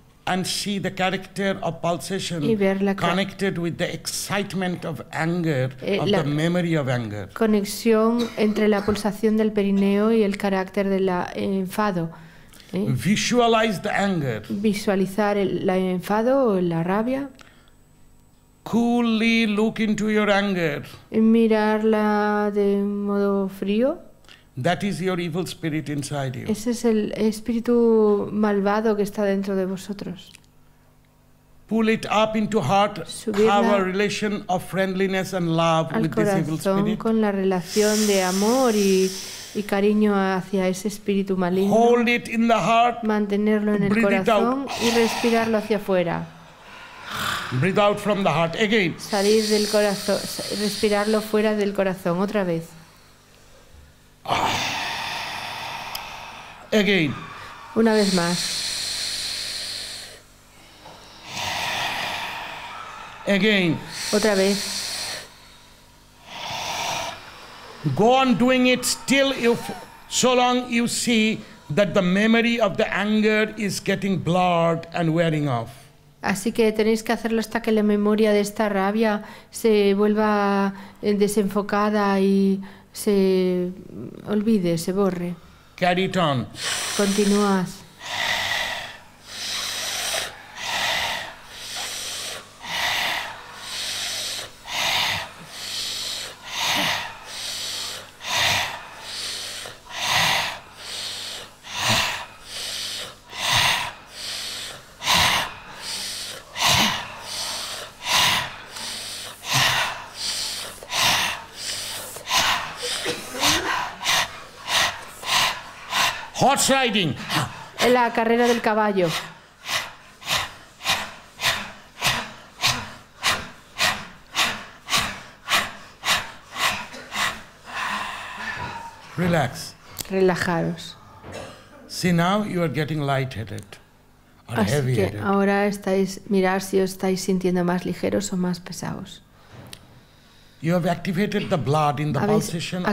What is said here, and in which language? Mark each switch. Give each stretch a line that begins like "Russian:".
English: And see the character of pulsation connected with the excitement of anger, of the memory of anger.
Spanish: Conexión entre la pulsación del perineo y el carácter del enfado.
English: Visualize the anger.
Spanish: Visualizar el enfado o la rabia.
English: Coolly look into your anger.
Spanish: Mirarla de modo frío.
English: That is your evil spirit inside you.
Spanish: Ese es el espíritu malvado que está dentro de vosotros.
English: Pull it up into heart.
Spanish: Subirla
English: have a relation of friendliness and love with
Spanish: corazón,
English: this evil spirit.
Spanish: Al corazón con la relación de amor y cariño hacia ese espíritu maligno.
English: Hold it in the heart.
Spanish: Mantenerlo en el corazón y respirarlo hacia afuera.
English: Breathe out from the heart again.
Spanish: Salir del corazón, respirarlo fuera del corazón otra vez.
English: Again.
Spanish: Una vez más.
English: Again.
Spanish: Otra vez.
English: Go on doing it still if so long you see that the memory of the anger is getting blurred and wearing off.
Spanish: Así que tenéis que hacerlo hasta que la memoria de esta rabia se vuelva desenfocada y se olvide, se borre.
English: Carry it on.
Spanish: Continuad.
English: Horse riding.
Spanish: En la carrera del caballo.
English: Relax.
Spanish: Relajaros.
English: See now you are getting light-headed or heavy-headed.
Spanish: Ahora estáis mirar si os estáis sintiendo más ligeros o más pesados.
English: You have activated the blood in the pulsation of a